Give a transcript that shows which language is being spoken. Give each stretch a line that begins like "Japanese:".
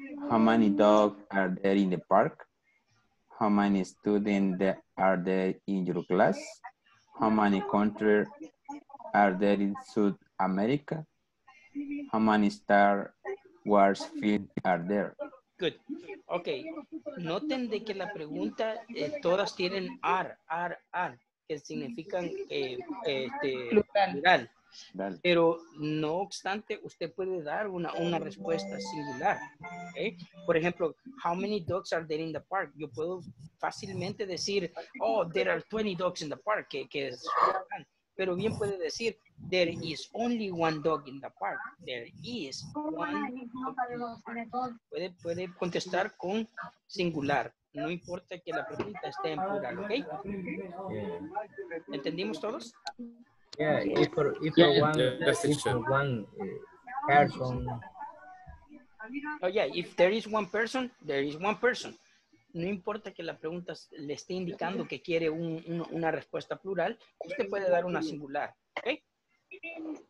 English: How many dogs are there in the park? How many students are there in your class? How many countries are there in South America? How many Star Wars films are there? Good. Ok.
Spanish: Noten de que la pregunta, todas tienen are, que significan plural. Pero no obstante, usted puede dar una respuesta singular. ¿Okay? Por ejemplo,
English: how many dogs are there in the park?
Spanish: Yo puedo fácilmente decir,
English: oh, there are 20 dogs in the park,
Spanish: que es plural. Pero bien puede decir,
English: there is only one dog in the park. There is one dog.
Spanish: Puede contestar con singular. No importa que la pregunta esté en plural, ¿ok? Yeah. ¿Entendimos todos?
English: Yeah, if one person. Oh, yeah, if there is one person, there is one person.
Spanish: No importa que la pregunta le esté indicando que quiere una respuesta plural, usted puede dar una singular, ¿ok?